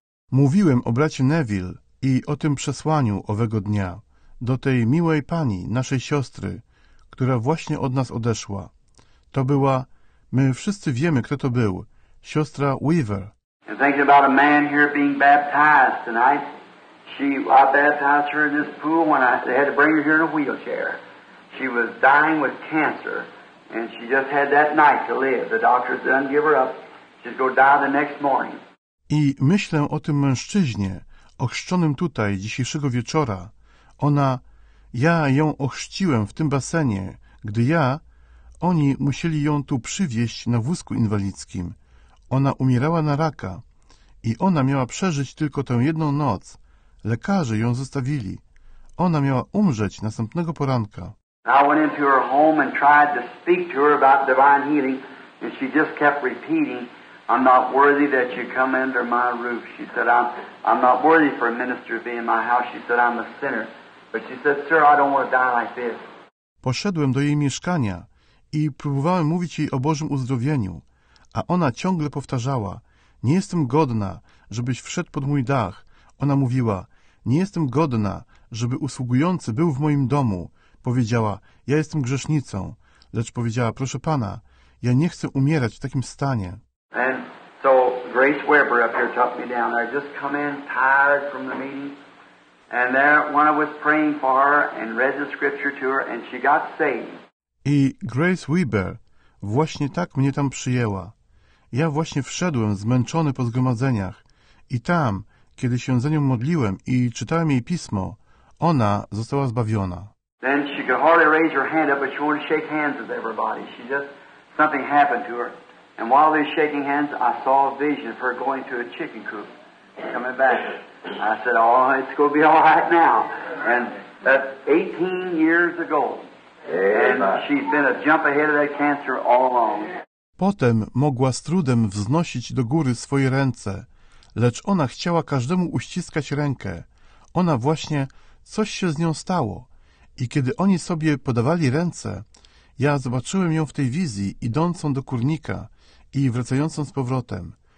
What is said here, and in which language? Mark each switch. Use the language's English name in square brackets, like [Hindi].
[Polish] Mówiłem o bracie Neville i o tym przesłaniu owego dnia do tej miłej pani, naszej siostry, która właśnie od nas odeszła. To była, my wszyscy wiemy, kto to był, siostra Weaver. [English] And thinking about a man here being baptized tonight, I baptized her in this pool when they had to bring her here in a wheelchair. She was dying with cancer, and she just had that night to live. The doctors didn't give her up. She's going to die the next morning. [Polish] I myślę o tym mężczyźnie, ochrzczonym tutaj dzisiejszego wieczora. Ja ją ochrzciłem w tym basenie, gdy oni musieli ją tu przywieźć na wózku inwalidzkim. Ona umierała na raka i ona miała przeżyć tylko tę jedną noc. Lekarze ją zostawili. Ona miała umrzeć następnego poranka. [English] I went into her home and tried to speak to her about divine healing and she just kept repeating, I'm not worthy that you come under my roof. She said, I'm not worthy for a minister to be in my house. She said, I'm a sinner. But she said, sir, I don't want to die like this. [Polish] Poszedłem do jej mieszkania i próbowałem mówić jej o Bożym uzdrowieniu. A ona ciągle powtarzała, nie jestem godna, żebyś wszedł pod mój dach. Ona mówiła, nie jestem godna, żeby usługujący był w moim domu. Powiedziała, ja jestem grzesznicą. Lecz powiedziała, proszę Pana, ja nie chcę umierać w takim stanie. [English] And so Grace Weber up here took me down. I just come in tired from the meeting. And there when I was praying for her and read the scripture to her and she got saved. [Polish] I Grace Weber właśnie tak mnie tam przyjęła. Ja właśnie wszedłem zmęczony po zgromadzeniach i tam, kiedy się za nią modliłem i czytałem jej pismo, ona została zbawiona. [English] Then she could hardly raise her hand up, but she wanted to shake hands with everybody. She just, something happened to her. And while they were shaking hands, I saw a vision of her going to a chicken coop and coming back. I said, oh, it's going to be all right now. And that's 18 years ago. And she's been a jump ahead of that cancer all along. [Polish] Potem mogła z trudem wznosić do góry swoje ręce, lecz ona chciała każdemu uściskać rękę. Ona właśnie coś się z nią stało i kiedy oni sobie podawali ręce, ja zobaczyłem ją w tej wizji idącą do kurnika i wracającą z powrotem.